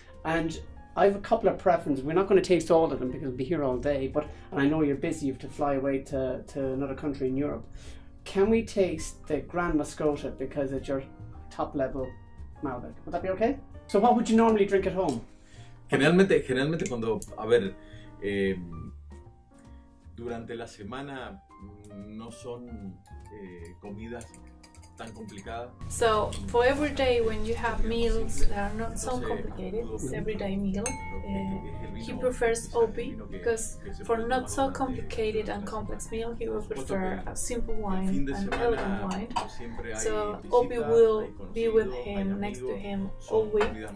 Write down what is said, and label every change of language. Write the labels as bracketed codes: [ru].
[en] And I have a couple of preferences. We're not going to taste all of them because we'll be here all day, but and I know you're busy, you have to fly away to another country in Europe. Can we taste the Grand Mascota because it's your top level Malbec? Would that be okay? So what would you normally drink at home? [es] Generalmente cuando, a ver, durante la semana no son comidas tan complicadas. [en] So for every day when you have meals that are not so complicated, it's everyday meal. He prefers Opi because for not so complicated and complex meal, he will prefer a simple wine, an elegant wine. So Opi will be with him, next to him all week.